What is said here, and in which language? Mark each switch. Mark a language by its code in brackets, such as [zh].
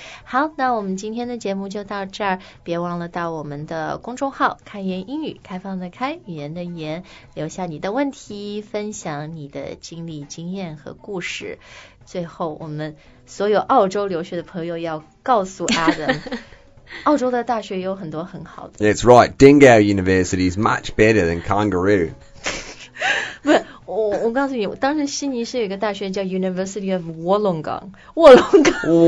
[zh] 好，那我们今天的节目就到这儿，别忘了到我们的公众号“开言英语”，开放的开，语言的言，留下你的问题，分享你的经历、经验和故事。最后，我们所有澳洲留学的朋友要告诉 Adam。澳洲的大学有很多很好的。 [en] That's right, Dingo University is much better than Kangaroo. [zh] 不是，我告诉你，当时悉尼是有一个大学叫 University of Wollongong， 卧龙岗。